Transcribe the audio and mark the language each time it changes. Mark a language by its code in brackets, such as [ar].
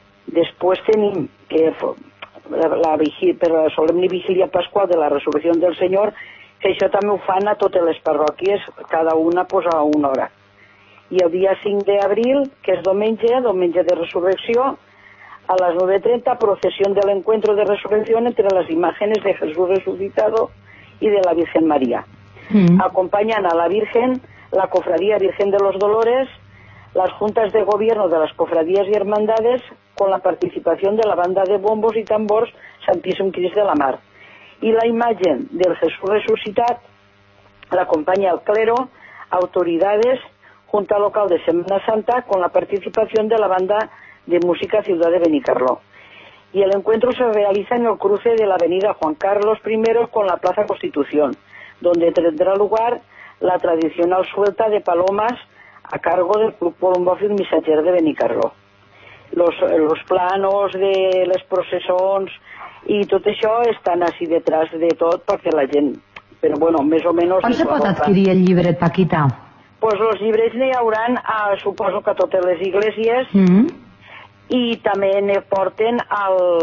[ca] Després tenim que per la solemne vigília pasqual de la resurrecció del Senyor, que això també ho fan a totes les parròquies, cada una posa una hora. I el dia 5 d'abril, que és diumenge de resurrecció, a les 9:30, processió de l'encuentro de resurrecció entre les imatges de Jesús resucitado i de la Virgen María. [es] Acompanyant a la Virgen, la cofradía Virgen de los Dolores, las juntas de gobierno de las cofradías y hermandades, con la participación de la banda de bombos y tambors Santísimo Crist de la Mar. Y la imagen del Jesús resucitat la acompaña el clero, autoridades, junta local de Semana Santa, con la participación de la banda de música Ciudad de Benicarló. Y el encuentro se realiza en el cruce de la avenida Juan Carlos I con la Plaza Constitución, donde tendrá lugar la tradicional suelta de palomas a cargo del Club Polombófil Missatger de Benicarló. [ca] Los planos de les processons i tot això estan així detrás de tot perquè la gent... Però bueno, més o menys... Quan se pot adquirir el llibre, Paquita? Pues los llibrets n'hi hauran, suposo que a totes les iglesias, i també ne porten al...